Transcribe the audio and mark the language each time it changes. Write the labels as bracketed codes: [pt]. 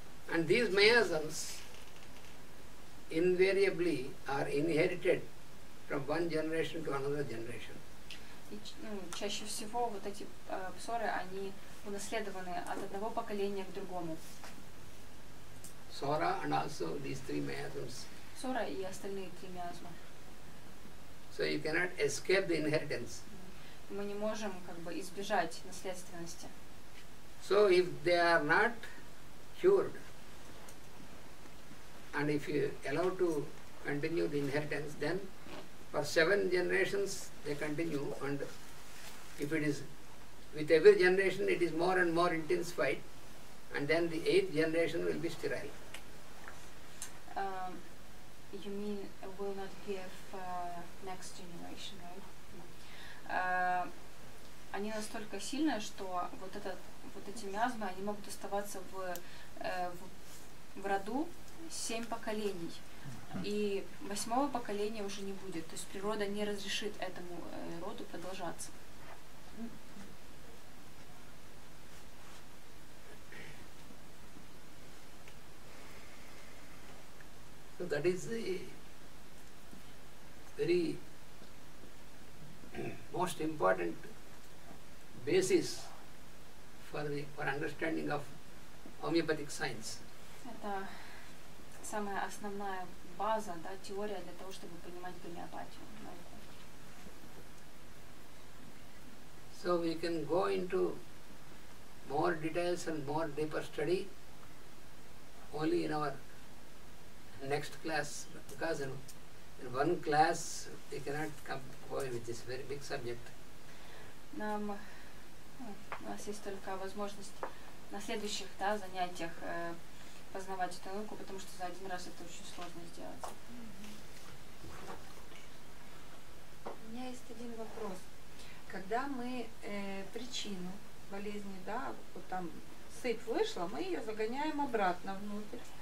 [en] And these miasms invariably are inherited from one generation to another generation. [ru] Чаще всего вот эти ссоры, они унаследованы от одного поколения к другому. [en] Sora and also these three miasms. [ru] Sora и остальные три миазма. [en] So you cannot escape the inheritance. [ru] Мы не можем как бы избежать наследственности. [en] So if they are not cured, and if you allow to continue the inheritance, then for seven generations they continue, and if it is with every generation it is more and more intensified, and then the eighth generation will be sterile. You mean will not give next generation, right? [ru] Они настолько сильны, что вот эти миазмы, они могут оставаться в роду семь поколений, и восьмого поколения уже не будет, то есть природа не разрешит этому роду продолжаться. [en] So that is the very most important basis for understanding of homeopathic science. [ru] Это самая основная база, да, теория для того, чтобы понимать гомеопатию. [en] So we can go into more details and more deeper study only in our next class, because in one class we cannot come with this very big subject. [ru] У нас есть только возможность на следующих, да, занятиях познавать эту науку, потому что за один раз это очень сложно сделать. Mm-hmm. У меня есть один вопрос. Когда мы причину болезни, да, вот там сыпь вышла, мы ее загоняем обратно внутрь.